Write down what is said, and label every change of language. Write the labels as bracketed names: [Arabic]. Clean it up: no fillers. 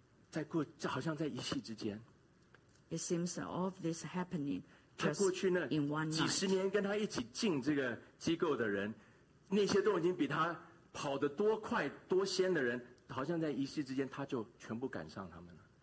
[Chinese] 在过，这好像在一夕之间。 [English] It seems all of this happening just in one night. [Chinese] 几十年跟他一起进这个机构的人。那些都已经比他跑得多快、多先的人，好像在一夕之间，他就全部赶上他们了。